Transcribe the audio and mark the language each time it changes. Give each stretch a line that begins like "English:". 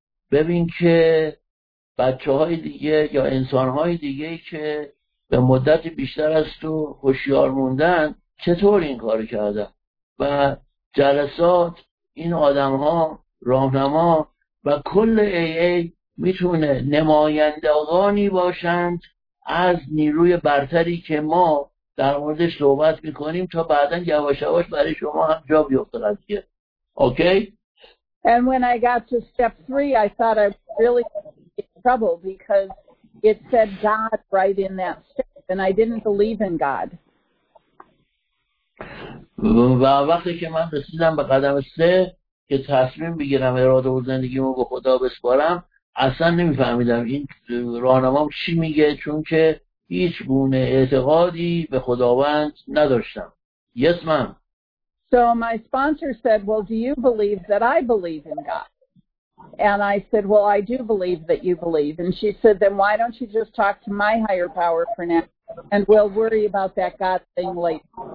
Persian: ببین که بچه های دیگه یا انسان های دیگه که به مدت بیشتر از تو هوشیار موندن چطور این کار کردن و جلسات این آدم ها راهنما و کل AA میتونه نمایندگانی باشند از نیروی برتری که ما در موردش صحبت میکنیم تا بعداً یواش یواش برای شما هم جا بیفته قضیه.
English: Okay? And when I got to step 3, I thought I really in trouble because it said God right in that step and I didn't believe in God.
Persian: و وقتی که من رسیدم به قدم 3 که تصمیم بگیرم اراده و زندگیمو به خدا بسپارم، اصلا نمیفهمیدم این راهنمام چی میگه، چون که هیچ گونه اعتقادی به خداوند نداشتم.
English: Yes, ma'am. So my sponsor said, "Well, do you believe that I believe in God?" And I said, "Well, I do believe that you believe." And she said, "Then why don't you just talk to my higher power for now, and we'll worry about that God thing later."